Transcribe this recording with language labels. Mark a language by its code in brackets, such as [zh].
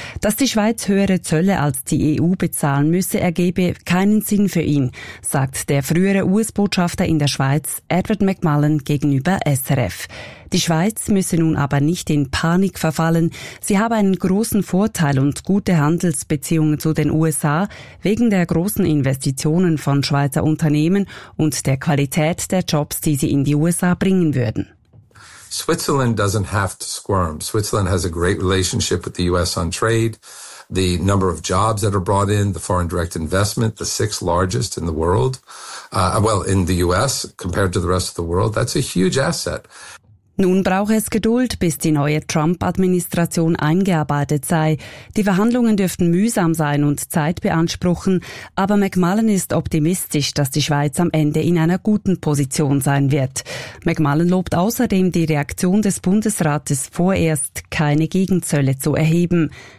[de] Dass die Schweiz höhere Zölle als die EU bezahlen müsse, ergebe keinen Sinn für ihn, sagt der frühere US-Botschafter in der Schweiz, Edward McMullen, gegenüber SRF. Die Schweiz müsse nun aber nicht in Panik verfallen. Sie habe einen großen Vorteil und gute Handelsbeziehungen zu den USA wegen der großen Investitionen von Schweizer Unternehmen und der Qualität der Jobs, die sie in die USA bringen würden. [en] Switzerland doesn't have to squirm. Switzerland has a great relationship with the US on trade. The number of jobs that are brought in, the foreign direct investment, the sixth largest in the world, in the US compared to the rest of the world, that's a huge asset. [de] Nun brauche es Geduld, bis die neue Trump-Administration eingearbeitet sei. Die Verhandlungen dürften mühsam sein und Zeit beanspruchen, aber McMullen ist optimistisch, dass die Schweiz am Ende in einer guten Position sein wird. McMullen lobt außerdem die Reaktion des Bundesrates, vorerst keine Gegenzölle zu erheben.